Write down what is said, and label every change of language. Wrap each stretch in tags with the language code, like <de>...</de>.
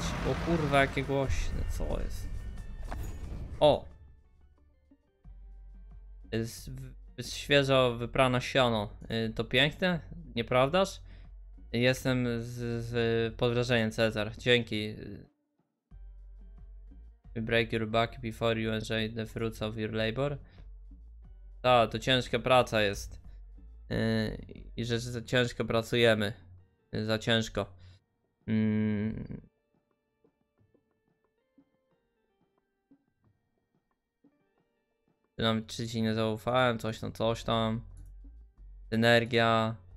<pl>O kurwa, jakie głośne, co jest? O! Jest świeżo wyprane siano. To piękne, nieprawdaż? Jestem z pod wrażeniem, Cezar. Dzięki.</pl> <en>We break your back before you enjoy the fruits of your labor.</en> <pl>Ta, to ciężka praca jest. I że za ciężko pracujemy. Za ciężko. Nam czy ci nie zaufałem, coś tam. Synergia.</pl>